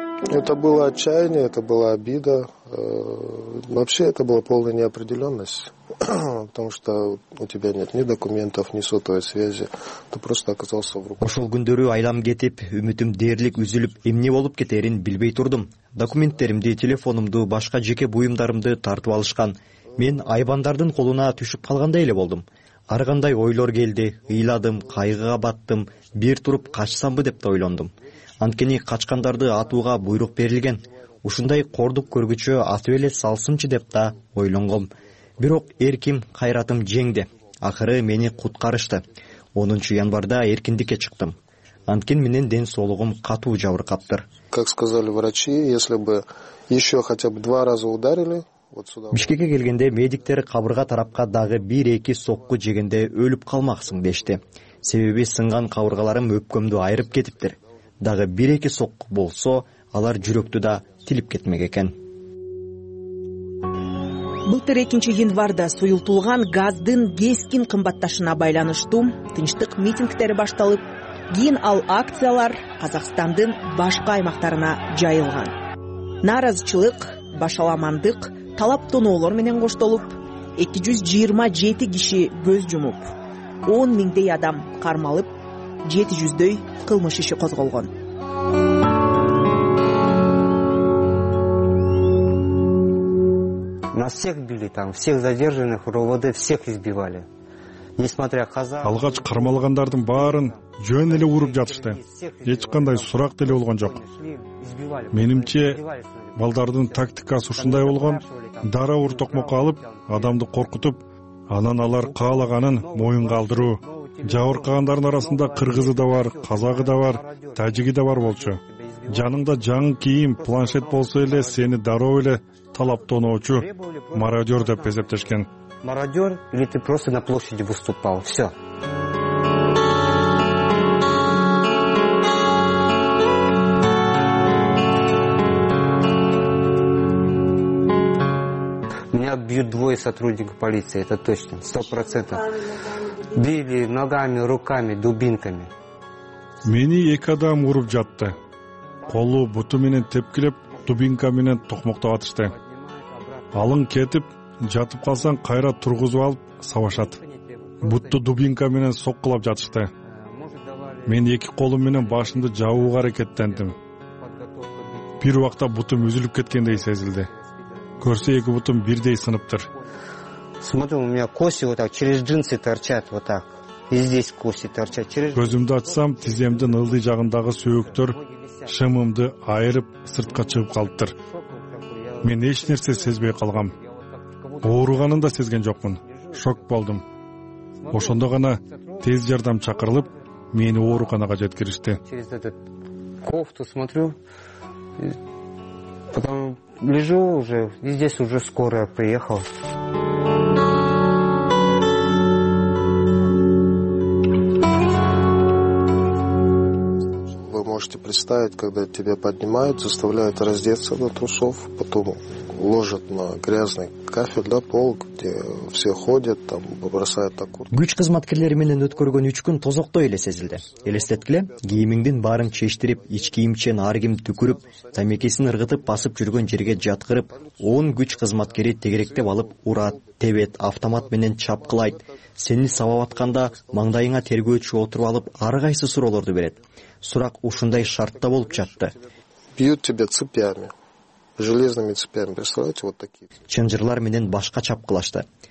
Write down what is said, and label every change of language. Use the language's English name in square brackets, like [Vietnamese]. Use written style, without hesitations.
[Russian] Это было отчаяние, это была обида. Вообще это была полная неопределенность, потому что у тебя нет ни документов, ни сотовой связи. Ты просто оказался в руках. [Kyrgyz] Ошол күндөрү айлам кетип, үмүтүм дээрлик үзүлүп, эмне болуп кетерин билбей турдум. Документтеримди, телефонумду, башка жеке буюмдарымды тартып алышкан. Мен айбандардын колуна түшүп калгандай эле болдум. Ар кандай ойлор келди, ыйладым, кайгыга баттым, бир туруп качсамбы деп да ойлондум. Анткени качкандарды атууга буйрук берилген. Ушундай кордук көргүчө атып эле салсынчы деп да ойлонгом. Бирок эрким, кайратым жеңди. Акыры мени куткарышты. 10 январда эркиндикке чыктым. Анткени менин ден соолугум катуу жабыркаптыр. [Russian] Как сказали врачи, если бы еще хотя бы 2 раза ударили, вот сюда. [Kyrgyz] Бишкекке келгенде медиктер кабырга тарапка дагы 1-2 сокку жегенде өлүп калмаксың дешти. Себеби сынган кабыргаларым өпкөмдү айырып кетиптир. Дагы 1-2 сокку болсо, алар жүрөктү да тилип кетмек экен. Былтыр 2 январда суюлтулган газдын кескин кымбатташына байланыштуу тынчтык митингтери башталып, кийин ал акциялар Казакстандын башка аймактарына жайылган. Нааразычылык, башаламандык, талаптоноолор менен коштолуп, 227 киши көз жумуп, 10,000 адам кармалып, 700 кылмыш иши козголгон. [Russian] Нас всех били там, всех задержанных, РОВД всех избивали. Несмотря казак. [Kyrgyz] Алгач кармалгандардын баарын жөн эле уруп жатышты. Эч кандай сурак деле болгон жок. Менимче балдардын тактикасы ушундай болгон. Дара уртокмокко алып, адамды коркутуп, анан алар каалаганын моюн калдыруу. Жабыркагандардын арасында кыргызы да бар, казагы да бар, тажиги да бар болчу. Жаныңда жаңы кийим, планшет болсо эле сени дароо эле талаптоноочу мародер деп эсептешкен. [Russian] Мародер или ты просто на площади выступал. Все. Меня бьют 2 сотрудников полиции, это точно, 100%. Били ногами, руками, дубинками. [Kyrgyz] Мени 2 адам уруп жатты. Колу буту менен тепкилеп, дубинка менен токмоктоп атышты. Алың кетип, жатып калсаң кайра тургузуп алып, савашат. Бутту дубинка менен соккулап жатышты. Мен эки колум менен башымды жабууга аракеттендим. Бир убакта бутум үзүлүп кеткендей сезилди. Көрсө эки бутум бирдей сыныптыр. [Russian] Смотрю, у меня коси вот так через джинсы торчат вот так. И здесь коси торчат. [Kyrgyz] Көзүмдү атсам, тиземдин ылдый жагындагы сөөктөр шымымды айырып сыртка чыгып калыптыр. Мен эч нерсе сезбей калгам. Ооруганын да сезген жокмун. Шок болдум. Ошондо гана тез жардам чакырылып, мени ооруканага жеткиришти. [Russian] Через этот кофту смотрю. Потом лежу уже, и здесь уже скорая приехала. Вы можете представить, когда тебя поднимают, заставляют раздеться до трусов, потом ложат на грязный кафель, да, пол, где все ходят, там бросают такую. [Kyrgyz] Күч кызматкерлери менен өткөргөн 3 күн тозоктой эле сезилди. Элестеткиле, кийимиңдин баарын чечтирип, ич кийимчен ар ким түкүрүп, тамекесин ыргытып басып жүргөн жерге жаткырып, 10 күч кызматкери тегеректеп алып, урат, тебет, автомат менен чапкылайт. Сени сабап атканда маңдайыңа тергөөчү отуруп алып, ар кайсы суроолорду берет. Сурак ушундай шартта болуп жатты. [Russian] Бьют тебя цепями. Железными цепями, представляете, вот такие. [Kyrgyz] Чынжырлар менен башка чапкылашты.